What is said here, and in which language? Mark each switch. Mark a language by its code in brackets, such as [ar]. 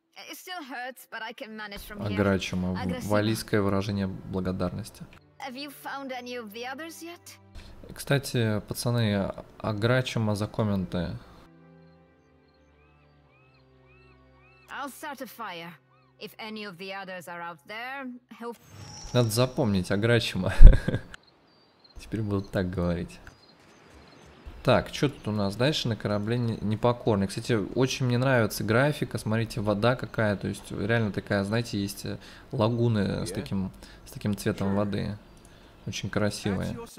[en] It still hurts, but I can manage from here. [ru] Аграчимо. Валийское выражение благодарности. [en] Have you found any of the others yet? [ru] Кстати, пацаны, аграчимо за комменты. [en] I'll start a fire. If any of the others are out there, help. [ru] Надо запомнить, аграчимо. Теперь буду так говорить. Так, что тут у нас дальше на корабле непокорный. Кстати, очень мне нравится графика. Смотрите, вода какая. То есть, реально такая, знаете, есть лагуны с таким цветом воды. Очень красивые.